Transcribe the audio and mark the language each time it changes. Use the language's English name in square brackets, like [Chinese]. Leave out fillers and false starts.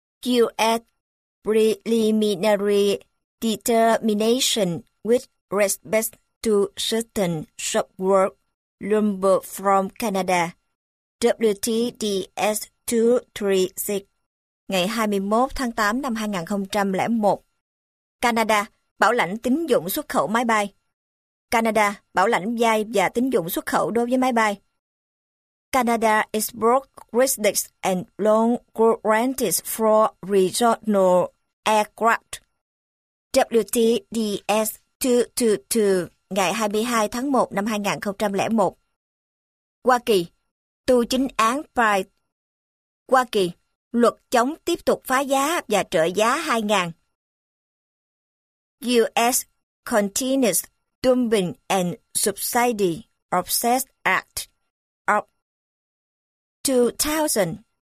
[English] US preliminary determination with respect to certain softwood lumber from Canada. WTDS 236. [Vietnamese] Ngày 21 tháng 8 năm 2001. Canada, bảo lãnh tín dụng xuất khẩu máy bay. Canada, bảo lãnh vay và tín dụng xuất khẩu đối với máy bay. [English] Canada export credits and loan guarantees for regional aircraft. [Vietnamese] WTDS 222. Ngày 22 tháng 1 năm 2001. Hoa Kỳ, tu chính án phải. Hoa Kỳ, luật chống tiếp tục phá giá và trợ giá 2000. [English] US Continuous Dumping and Subsidy Offset Act of 2000.